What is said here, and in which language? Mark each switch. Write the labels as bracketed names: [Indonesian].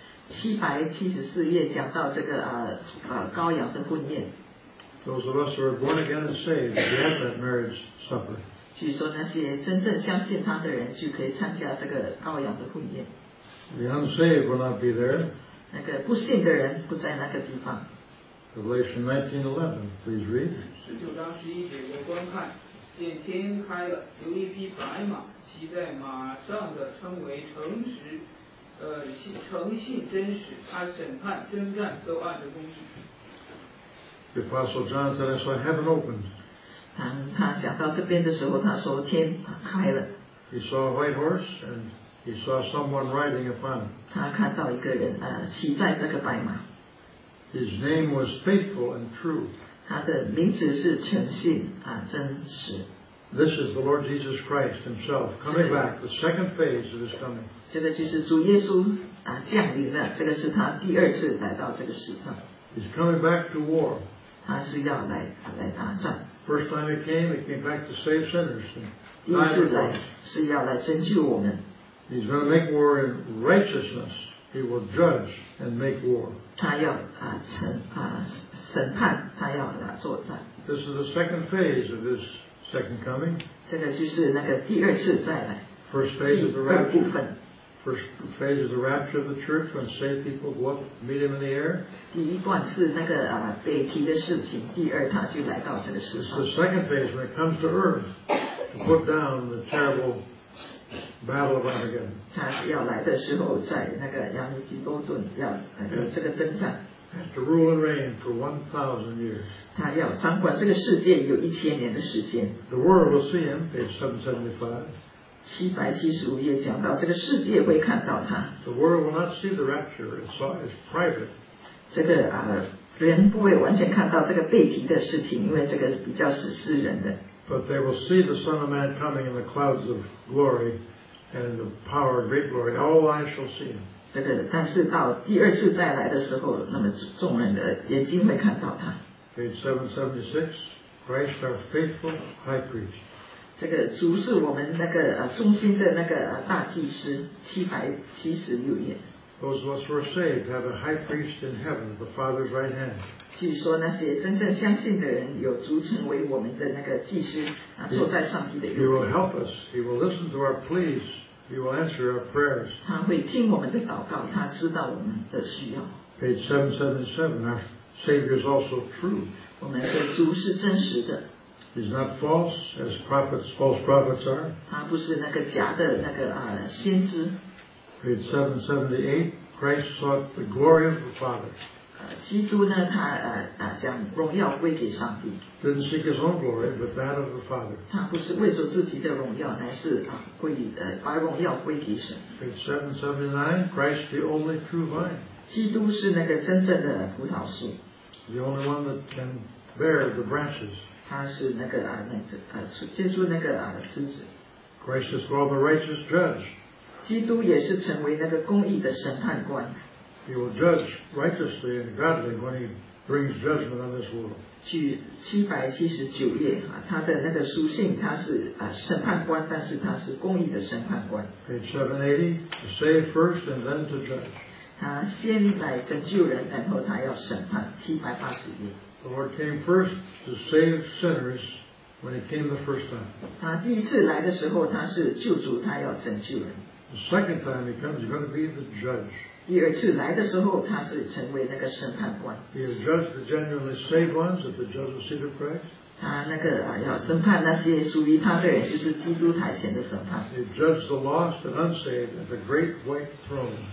[Chinese] 774页讲到这个羔羊的婚宴。 [English] Those of us who are born again and saved, we have that marriage supper. [Chinese] 据说那些真正相信他的人就可以参加这个羔羊的婚宴。 [English] The unsaved will not be there. [Chinese] 那个不信的人不在那个地方。 [English] Revelation 19:11, please read. [Chinese] 十九章十一节，我观看，见天开了，有一匹白马，骑在马上的称为诚实，诚信真实，他审判征战都按着公义。 [English] The Apostle John said, "I saw heaven opened." [Chinese] 当他讲到这边的时候，他说天开了。 [English] He saw a white horse, and he saw someone riding upon it. [Chinese] 他看到一个人，骑在这个白马。 [English] His name was faithful and true. [Chinese] 他的名字是诚信真实。 [English] This is the Lord Jesus Christ Himself coming back, the second phase of His coming. [Chinese] 这个就是主耶稣降临了，这个是他第二次来到这个世上。 [English] He's coming back to war. [Chinese] 他是要来打仗。 [English] First time He came back to save sinners. [Chinese] 第一次来是要来拯救我们。 [English] He's going to make war in righteousness. He will judge and make war. [Chinese] 他要审判，他要作战。 [English] This is the second phase of his second coming. [Chinese] 这个就是那个第二次再来。 [English] First phase of the rapture. [Chinese] 第二部分。 [English] First phase of the rapture of the church when saved people go up, meet him in the air. [Chinese] 第一段是那个被提的事情，第二他就来到这个世上。 [English] The second phase when it comes to earth to put down the terrible. Battle of Armageddon. [Chinese] 他要来的时候，在那个亚米基多顿要这个征战。 [English] To rule and reign for 1,000 years. [Chinese] 他要掌管这个世界有1000年的时间。 [English] The world will see him. Page 775. [Chinese] 775页讲到这个世界会看到他。 [English] The world will not see the rapture, it's private. [Chinese] 这个人不会完全看到这个被提的事情，因为这个比较是世人的。 [English] But they will see the Son of Man coming in the clouds of glory and the power of great glory. All eyes shall see him. [Chinese] 这个，但是到第二次再来的时候，那么众人的眼睛会看到他。 [English] 776 Christ our faithful high priest. [Chinese] 这个主是我们那个中心的那个大祭司，776页。 [English] Those of us who are saved have a high priest in heaven, the Father's right hand. [Chinese] 据说那些真正相信的人有主成为我们的那个祭司，坐在上帝的右边。 [English] He will help us. He will listen to our pleas. He will answer our prayers. [Chinese] 他会听我们的祷告，他知道我们的需要。 [English] Page 777, our Savior is also true. [Chinese] 我们的主是真实的。 [English] He's not false, as prophets, false prophets are. [Chinese] 他不是那个假的那个先知。 [English] Page 778, Christ sought the glory of the Father. [Chinese] 基督呢，他将荣耀归给上帝。 [English] Didn't seek his own glory, but that of the Father. [Chinese] 他不是为着自己的荣耀，乃是把荣耀归给神。 [English] Page 779, Christ the only true vine. [Chinese] 基督是那个真正的葡萄树。 [English] The only one that can bear the branches. [Chinese] 他是那个接住那个枝子。 [English] Christ is called the righteous judge. [Chinese] 基督也是成为那个公义的审判官。 [English] He will judge righteously and godly when he brings judgment on this world. [Chinese] 去779页他的那个书信，他是审判官，但是他是公义的审判官。 [English] Page 780, to save first and then to judge. [Chinese] 他先来拯救人，然后他要审判。 780页。 [English] The Lord came first to save sinners when he came the first time. [Chinese] 他第一次来的时候，他是救主，他要拯救人。 [English] The second time he comes, he's going to be the judge. [Chinese] 第二次来的时候，他是成为那个审判官。 [English] He has judged the genuinely saved ones at the judgment seat of Christ. [Chinese] 他那个要审判那些属于他的人，就是基督台前的审判。 [English] He judged the lost and unsaved at the great white throne.